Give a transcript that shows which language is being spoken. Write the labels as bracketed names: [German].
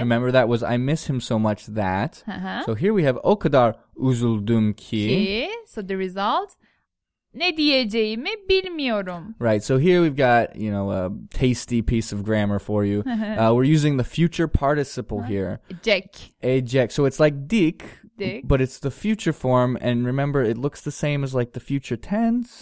[English] Remember that was I miss him so much that. Uh-huh. So here we have [Turkish] o kadar üzüldüm ki. [English] So the result [Turkish] ne diyeceğimi bilmiyorum. Right. [English] So here we've got, you know, a tasty piece of grammar for you. We're using the future participle here. [Turkish] Ecek. [English] Ecek. So it's like dik. But it's the future form, and remember, it looks the same as like the future tense.